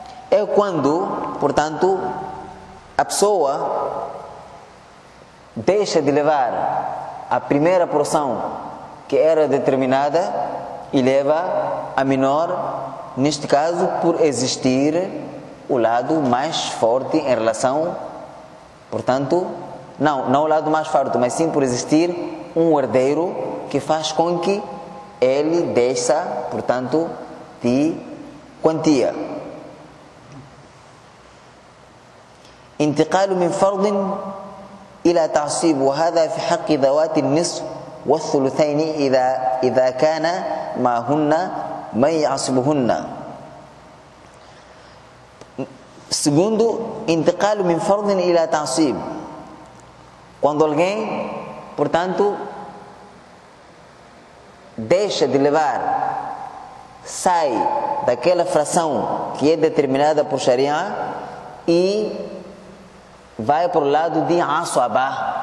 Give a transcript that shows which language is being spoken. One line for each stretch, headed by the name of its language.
Portuguese: É quando, portanto, a pessoa deixa de levar a primeira porção que era determinada e leva a menor, neste caso, por existir o lado mais forte em relação, portanto, não o lado mais forte, mas sim por existir um herdeiro que faz com que ele deixa, portanto, de quantia.
Arabic: انتقال من فرض الى تعصيب وهذا في حق ذوات النصف والثلثين اذا كان ما هن من يعصبهن.
Portuguese: Segundo,
Arabic: انتقال من فرض الى تعصيب.
Portuguese: Quando alguém, portanto, deixa de levar, sai daquela fração que é determinada por Sharia e vai para o lado de Aswaba.